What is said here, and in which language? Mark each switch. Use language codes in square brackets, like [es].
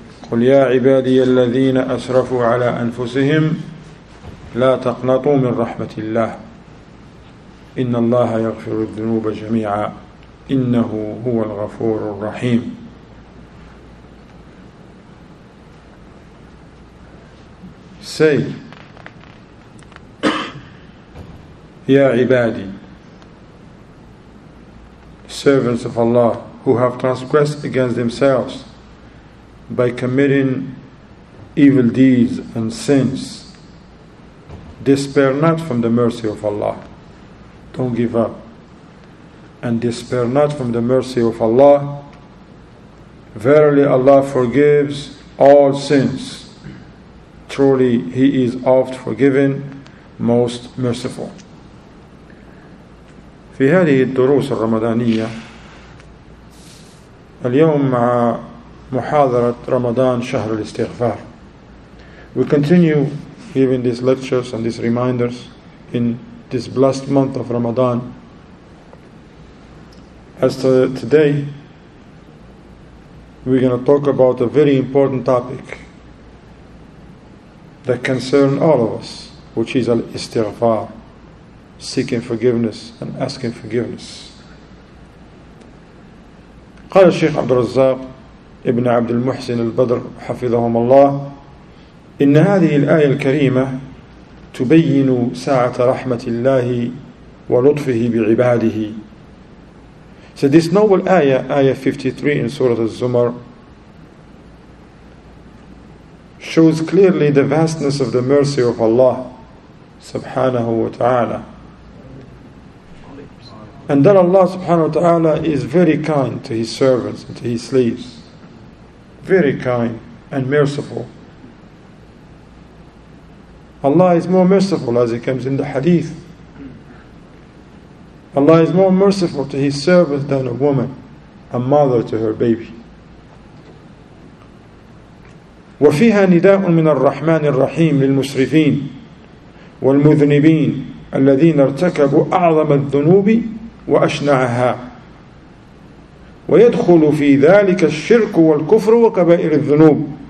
[ar] قل يا عبادي الذين أسرفوا على أنفسهم لا تقنطوا من رحمة الله إن الله يغفر الذنوب جميعا إنه هو الغفور الرحيم. سي يا عبادي، [en] servants of Allah who have transgressed against themselves by committing evil deeds and sins, despair not from the mercy of Allah. Don't give up. And despair not from the mercy of Allah. Verily Allah forgives all sins. Truly He is oft forgiven, most merciful. [ar] في هذه الدروس الرمضانية اليوم مع محاضرة رمضان شهر الاستغفار. [en] We continue giving these lectures and these reminders in this blessed month of Ramadan. As to today, we're going to talk about a very important topic that concerns all of us, which is al-istighfar, seeking forgiveness and asking forgiveness. [ar] قال الشيخ عبد الرزاق ابن عبد المحسن البدر حفظهم الله: إن هذه الآية الكريمة تبين ساعة رحمة الله ولطفه بعباده. [en] So this noble ayah, ayah 53 in Surah Al-Zumar, shows clearly the vastness of the mercy of Allah subhanahu wa ta'ala, and that Allah subhanahu wa ta'ala is very kind to His servants and to His slaves, very kind and merciful. Allah is more merciful, as it comes in the hadith. Allah is more merciful to His servant than a woman, a mother to her baby. [ar] وفيها نداء من الرحمن الرحيم للمسرفين والمذنبين الذين ارتكبوا أعظم الذنوب وأشنعها ويدخل في ذلك الشرك والكفر وكبائر الذنوب.